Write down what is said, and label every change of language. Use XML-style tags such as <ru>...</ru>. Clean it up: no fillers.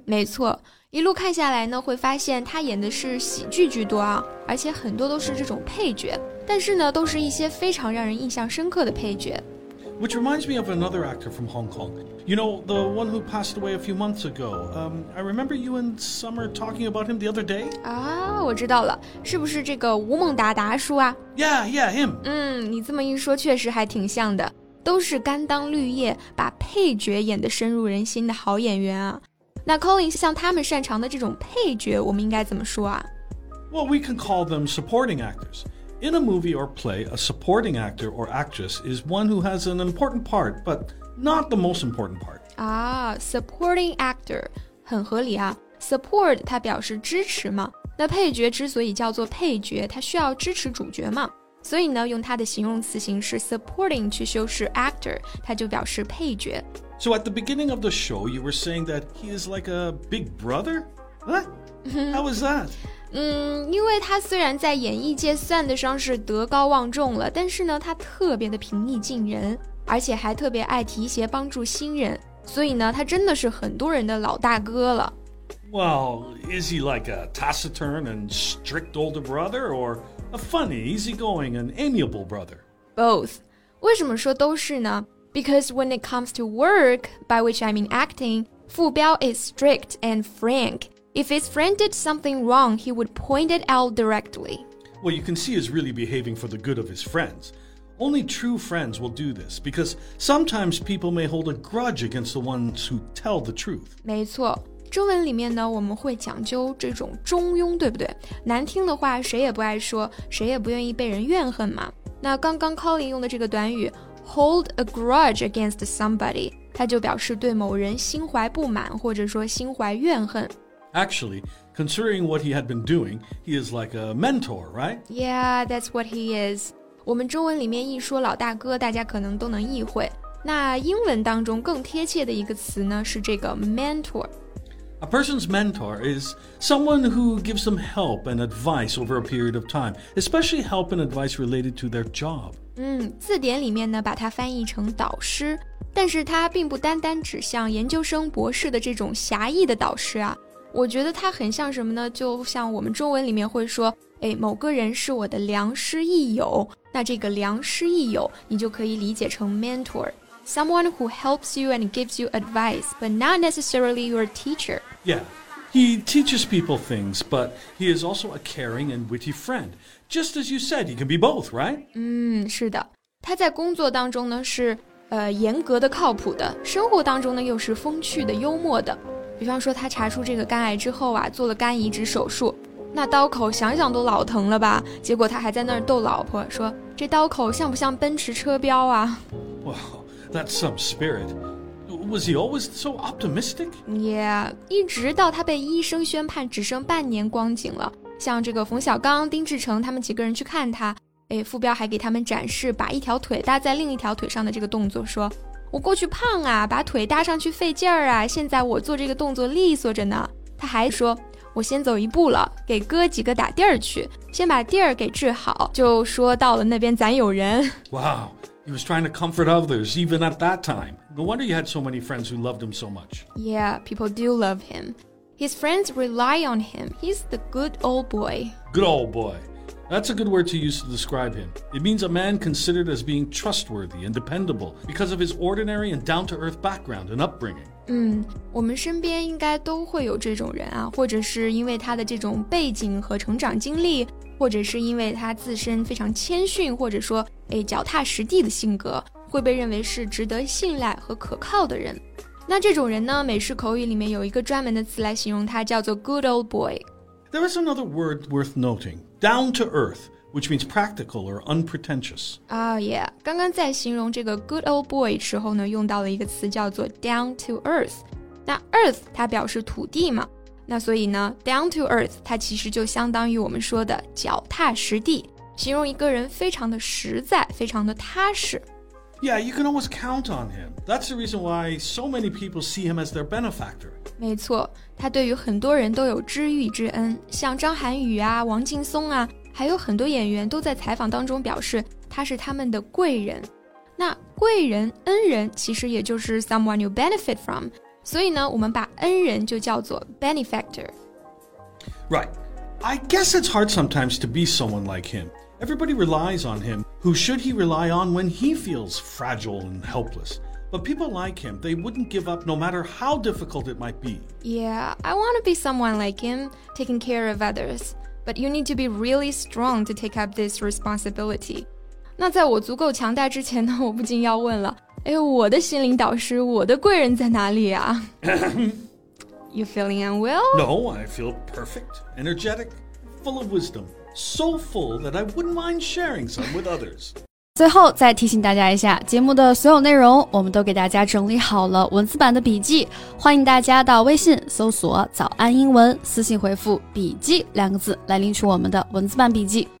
<zh>没错，一路看下来呢，会发现他演的是喜剧居多啊，而且很多都是这种配角，但是呢，都是一些非常让人印象深刻的配角。</zh> <en>Which reminds me of another actor from Hong Kong. You know, the one who passed away a few months ago. I remember you and Summer talking about him the other day.</en> <zh>啊，我知道了，是不是这个吴孟达达叔啊？</zh> <en>Yeah, him.</en> <zh>嗯，你这么一说，确实还挺像的。都是甘当绿叶，把配角演得深入人心的好演员啊。那 Colin, 像他们擅长的这种配角，我们应该怎么说啊？</zh> <en>Well, we can call them supporting actors. In a movie or play, a supporting actor or actress is one who has an important part, but not the most important part.</en> <zh>Ah, supporting actor, 很合理啊。 Support, 它表示支持嘛。那配角之所以叫做配角，它需要支持主角嘛。所以呢，用它的形容词形式 supporting 去修饰 actor， 它就表示配角。</zh> <en>So at the beginning of the show, you were saying that he is like a big brother? What? How is that?</en> <zh>因为他虽然在演艺界算得上是德高望重了，但是呢，他特别的平易近人，而且还特别爱提携帮助新人，所以呢，他真的是很多人的老大哥了。</zh> <en>Well, is he like a taciturn and strict older brother or... A funny, easygoing, and amiable brother. Both.</en> <zh>为什么说都是呢?</zh> <en>Because when it comes to work, by which I mean acting, Fu Biao is strict and frank. If his friend did something wrong, he would point it out directly. Well, you can see he's really behaving for the good of his friends. Only true friends will do this, because sometimes people may hold a grudge against the ones who tell the truth.</en> <zh>没错。中文里面呢，我们会讲究这种中庸，对不对？难听的话谁也不爱说，谁也不愿意被人怨恨嘛。那刚刚 Colin 用的这个短语</zh> <en>hold a grudge against somebody，</en> <zh>它就表示对某人心怀不满，或者说心怀怨恨。</zh> <en>Actually, considering what he had been doing, he is like a mentor, right? Yeah, that's what he is.</en> <zh>我们中文里面一说老大哥，大家可能都能意会。那英文当中更贴切的一个词呢，是这个 mentor。</zh> <en>A person's mentor is someone who gives them help and advice over a period of time, especially help and advice related to their job.</en> <zh>字典里面呢把它翻译成导师，但是它并不单单指向研究生、博士的这种狭义的导师啊。我觉得它很像什么呢？就像我们中文里面会说，哎，某个人是我的良师益友，那这个良师益友你就可以理解成 mentor。</zh> <en>Someone who helps you and gives you advice, but not necessarily your teacher. Yeah, he teaches people things, but he is also a caring and witty friend. Just as you said, he can be both, right?</en> <zh>是的。他在工作当中呢是严格的靠谱的，生活当中呢又是风趣的幽默的。比方说他查出这个肝癌之后啊，做了肝移植手术，那刀口想想都老疼了吧，结果他还在那儿逗老婆说，这刀口像不像奔驰车标啊？</zh> <en>That's some spirit. Was he always so optimistic?</en> <zh>Yeah, 一直到他被医生宣判只剩半年光景了。像这个冯小刚、丁志诚他们几个人去看他，哎，傅彪还给他们展示把一条腿搭在另一条腿上的这个动作，说，我过去胖啊，把腿搭上去费劲儿啊，现在我做这个动作利索着呢。他还说，我先走一步了，给哥几个打地儿去，先把地儿给治好，就说到了那边咱有人。</zh> <en>Wow. He was trying to comfort others, even at that time. No wonder you had so many friends who loved him so much. Yeah, people do love him. His friends rely on him. He's the good old boy. Good old boy. That's a good word to use to describe him. It means a man considered as being trustworthy and dependable because of his ordinary and down-to-earth background and upbringing.</en> <zh>我们身边应该都会有这种人啊，或者是因为他的这种背景和成长经历，或者是因为他自身非常谦逊，或者说脚踏实地的性格，会被认为是值得信赖和可靠的人。那这种人呢，美式口语里面有一个专门的词来形容他，叫做 good old boy。</zh> <en>There is another word worth noting, down to earth, which means practical or unpretentious.</en> <zh>Oh yeah, 刚刚在形容这个 good old boy 时候呢，用到了一个词叫做 down to earth。那 earth 它表示土地嘛，那所以呢 down to earth 它其实就相当于我们说的脚踏实地，形容一个人非常的实在，非常的踏实。</zh> <en>Yeah, you can always count on him. That's the reason why so many people see him as their benefactor.</en> <zh>没错，他对于很多人都有知遇之恩，像张涵予啊、王劲松啊，还有很多演员都在采访当中表示他是他们的贵人。那贵人、恩人其实也就是</zh> <en>someone you benefit from。</en> <zh>所以呢，我们把恩人就叫做 benefactor.</zh> <en>Right. I guess it's hard sometimes to be someone like him. Everybody relies on him. Who should he rely on when he feels fragile and helpless? But people like him, they wouldn't give up no matter how difficult it might be. Yeah, I want to be someone like him, taking care of others. But you need to be really strong to take up this responsibility.</en> <zh>那在我足够强大之前呢，我不禁要问了。哎，我的心灵导师，我的贵人在哪里啊？</zh> <en>You feeling unwell? No, I feel perfect, energetic, full of wisdom. So full that I wouldn't mind sharing some with others.</en> <zh>最后再提醒大家一下，节目的所有内容我们都给大家整理好了文字版的笔记，欢迎大家到微信搜索早安英文，私信回复笔记两个字来领取我们的文字版笔记。</zh>